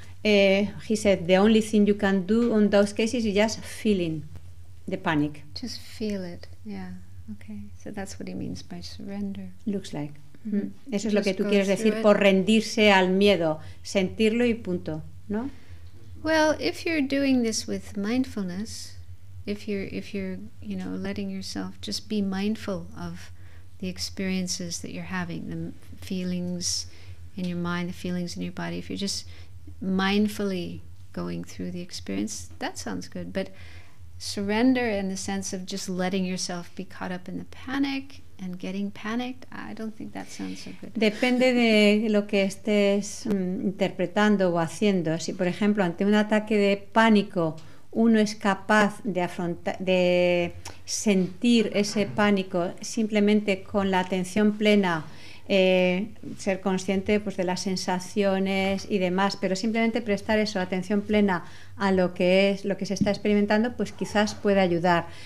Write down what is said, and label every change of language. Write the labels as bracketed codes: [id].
[en] He said, the only thing you can do in those cases is just feeling the panic. Just feel it, yeah. Okay, so that's what he means by surrender. Looks like. Mm-hmm. [es] Eso es lo que tú quieres decir por rendirse al miedo, sentirlo y punto, no? [en] Well, if you're doing this with mindfulness, If you're you know, letting yourself just be mindful of the experiences that you're having, the feelings in your mind, the feelings in your body, if you're just mindfully going through the experience, that sounds good. But surrender in the sense of just letting yourself be caught up in the panic and getting panicked, I don't think that sounds so good. [es] Depende de lo que estés interpretando o haciendo. Si, por ejemplo, ante un ataque de pánico, uno es capaz de afrontar, de sentir ese pánico simplemente con la atención plena, ser consciente pues de las sensaciones y demás, pero simplemente prestar eso, atención plena a lo que es, lo que se está experimentando, pues quizás puede ayudar.